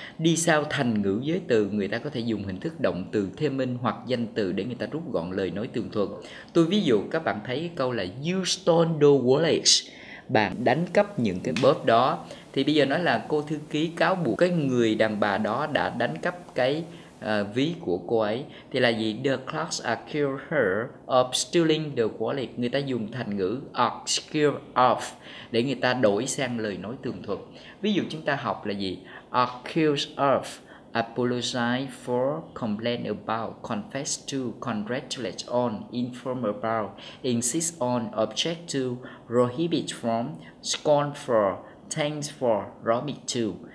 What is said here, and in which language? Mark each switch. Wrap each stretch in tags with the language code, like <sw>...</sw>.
<vi>Đi sau thành ngữ giới từ, người ta có thể dùng hình thức động từ thêm in hoặc danh từ để người ta rút gọn lời nói tường thuật. Tôi ví dụ các bạn thấy cái câu là</vi> <en>you stole the wallet.</en> <vi>Bạn đánh cắp những cái bóp đó. Thì bây giờ nói là cô thư ký cáo buộc cái người đàn bà đó đã đánh cắp cái ví của cô ấy. Thì là gì?</vi> <en>The clerk accused her of stealing the wallet.</en> <vi>Người ta dùng thành ngữ accused of để người ta đổi sang lời nói tường thuật. Ví dụ chúng ta học là gì?</vi> <en>Accused of, apologize for, complain about, confess to, congratulate on, inform about, insist on, object to, prohibit from, scorn for, thanks for, remit to.</en>